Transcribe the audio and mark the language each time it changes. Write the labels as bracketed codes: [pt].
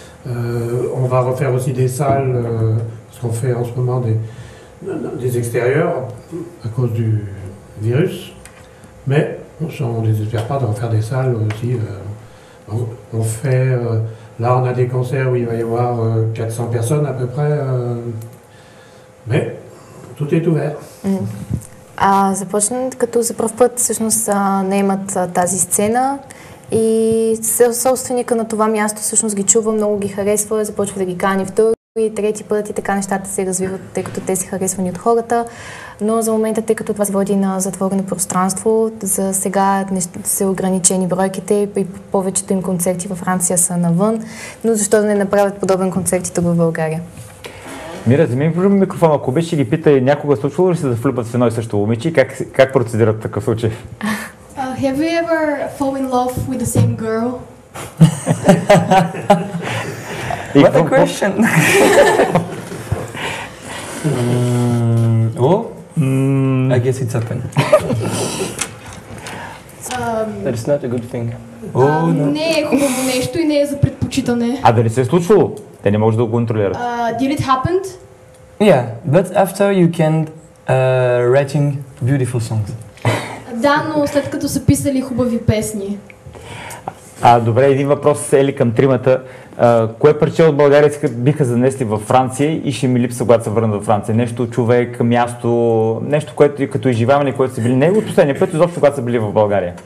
[fr] On va refaire aussi des salles, parce qu'on fait en ce moment des extérieurs à cause du virus. Mais on ne désespère pas d'en faire des salles aussi. On fait, là, on a des concerts où il va y avoir 400 personnes à peu près. Mais tout est ouvert. Mm. [bg] Започнат като за пръв път всъщност наемат тази сцена и собственика на това място всъщност ги чува, много ги харесва, започва да ги кани втори, трети път и така нещата се развиват, тъй като те са харесвани от хората. Но за момента, тъй като това се води на затворено пространство, за сега са ограничени бройките и повечето им концерти във Франция са навън, но защо да не направят подобен концерт и тук в България? Мира, вземи микрофон, ако беше ги пита, някога случвало ли се да влюбят с едно и също момиче? Как процедират такъв случай? [en] Have you ever fall in love with the same girl? What a question! I guess it's happened. That is not a good thing. [bg] Не е хубаво нещо и не е за предпочитане. А дали се е случвало? Те не може да го контролират. [en] Did it happen? Yeah, but after you can writing beautiful songs. [bg] Да, но след като са писали хубави песни. Добре, един въпрос Ели към тримата. Кое парче от България биха занесли във Франция и ще ми липса, когато се върна във Франция? Нещо, човек, място, нещо, което като изживяване, което са били не от последния път, изобщо когато са били в България?